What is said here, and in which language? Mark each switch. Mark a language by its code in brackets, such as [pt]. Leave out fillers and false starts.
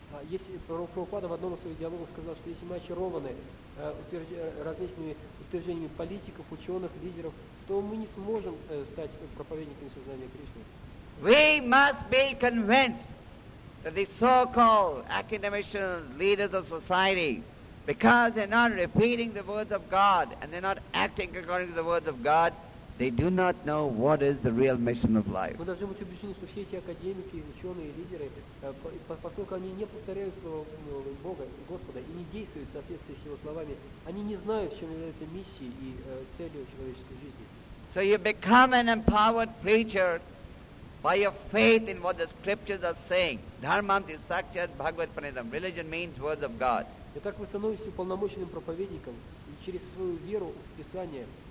[ru] Если Прабхупада в одном из своих диалогов сказал, что если мы очарованы различными утверждениями политиков, ученых, лидеров, то мы не сможем стать проповедниками сознания Кришны. [en] We must be convinced that the so-called academicians, leaders of society, because they're not repeating the words of God and they're not acting according to the words of God, they do not know what is the real mission of life. [ru] Мы должны быть убеждены, что все эти академики, ученые, лидеры, поскольку они не повторяют слово Бога, Господа, и не действуют в соответствии с Его словами, они не знают, в чем является миссия и целью человеческой жизни. [en] So you become an empowered preacher by your faith in what the scriptures are saying. [sa] Dharmam ti sakchat bhagavat pranidam. [en] Religion means words of God. [ru] И так вы становитесь уполномоченным проповедником и через свою веру в Писание.